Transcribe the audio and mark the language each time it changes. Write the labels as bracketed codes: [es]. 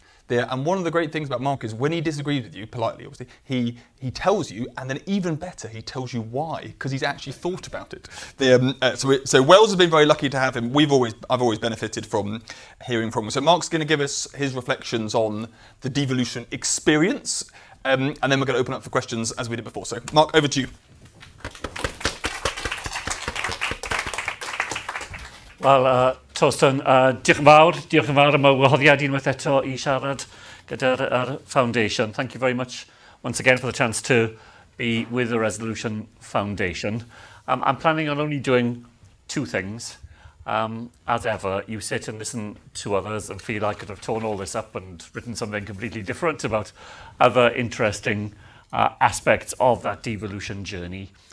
[en] And one of the great things about Mark is when he disagrees with you, politely, obviously, he tells you, and then even better, he tells you why, because he's actually thought about it. So Wales has been very lucky to have him. I've always benefited from hearing from him. So Mark's going to give us his reflections on the devolution experience, and then we're going to open up for questions as we did before. So Mark, over to you. [cy] Well, Torsten, diolch yn fawr am y wahoddiad unwaith eto I siarad gyda'r Foundation. [en] Thank you very much once again for the chance to be with the Resolution Foundation. I'm planning on only doing two things. As ever, you sit and listen to others and feel I could have torn all this up and written something completely different about other interesting aspects of that devolution journey.